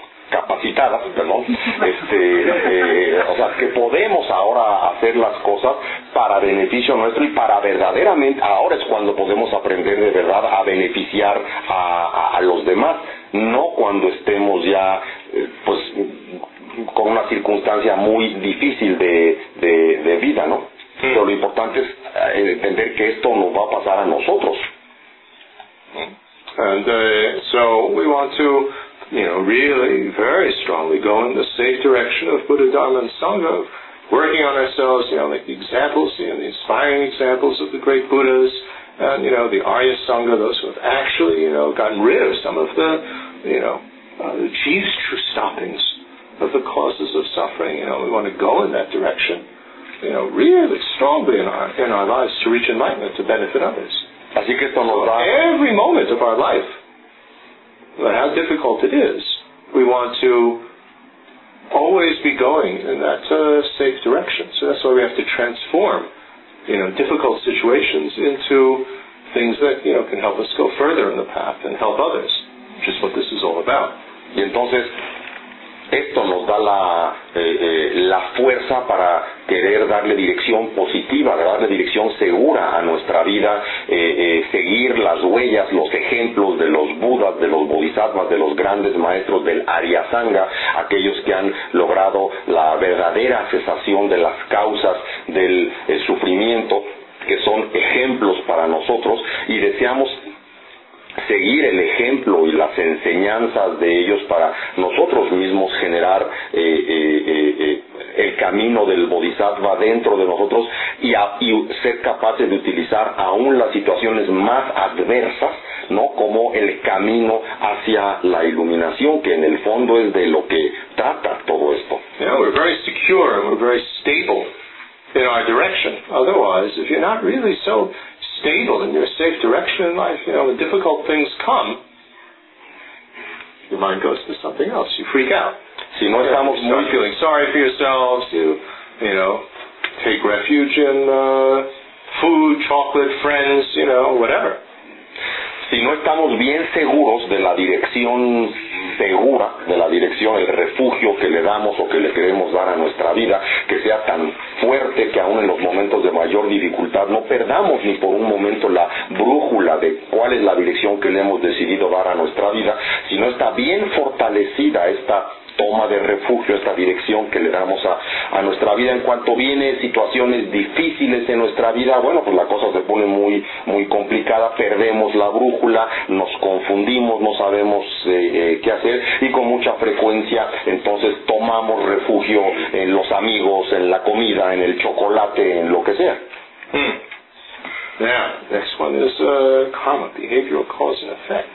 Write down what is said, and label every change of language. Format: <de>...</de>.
<es>capacitadas, perdón, o sea, que podemos ahora hacer las cosas para beneficio nuestro y para verdaderamente, ahora es cuando podemos aprender de verdad a beneficiar a los demás, no cuando estemos ya, pues, con una circunstancia muy difícil de vida, ¿no? Sí. Pero lo importante es entender que esto nos va a pasar a nosotros.</es> <en>And so we want to, you know, really very strongly go in the safe direction of Buddha, Dharma, and Sangha, working on ourselves, you know, like the examples, you know, the inspiring examples of the great Buddhas, and, you know, the Arya Sangha, those who have actually, you know, gotten rid of some of the, you know, the chief true stoppings of the causes of suffering. You know, we want to go in that direction, you know, really strongly in our lives to reach enlightenment, to benefit others.</en> <es>Así que esto nos da...</es> <en>Every moment of our life, but how difficult it is, we want to always be going in that safe direction. So that's why we have to transform, you know, difficult situations into things that, you know, can help us go further in the path and help others, which is what this is all about.</en> <es>Y entonces, esto nos da la fuerza para querer darle dirección positiva, darle dirección segura a nuestra vida, seguir las huellas, los ejemplos de los Budas, de los Bodhisattvas, de los grandes maestros del Arya Sangha, aquellos que han logrado la verdadera cesación de las causas del sufrimiento, que son ejemplos para nosotros, y deseamos seguir el ejemplo y las enseñanzas de ellos para nosotros mismos generar el camino del bodhisattva dentro de nosotros y ser capaces de utilizar aún las situaciones más adversas, ¿no?, como el camino hacia la iluminación, que en el fondo es de lo que trata todo esto.</es> <en>Yeah, we're very secure and we're very stable in our direction. Otherwise, if you're not really so stable in your safe direction in life, you know, when difficult things come, your mind goes to something else. You freak out.</en> <es>Si no estamos,</es> <en>you start feeling sorry for yourselves. You know, take refuge in food, chocolate, friends, you know, whatever.</en> <es>Si no estamos bien seguros de la dirección segura de la dirección, el refugio que le damos o que le queremos dar a nuestra vida, que sea tan fuerte que aún en los momentos de mayor dificultad no perdamos ni por un momento la brújula de cuál es la dirección que le hemos decidido dar a nuestra vida, sino está bien fortalecida esta toma de refugio, esta dirección que le damos a nuestra vida. En cuanto vienen situaciones difíciles en nuestra vida, bueno, pues la cosa se pone muy muy complicada, perdemos la brújula, nos confundimos, no sabemos qué hacer, y con mucha frecuencia entonces tomamos refugio en los amigos, en la comida, en el chocolate, en lo que sea.</es> <en>Now, next one is karma, behavioral cause and effect.</en>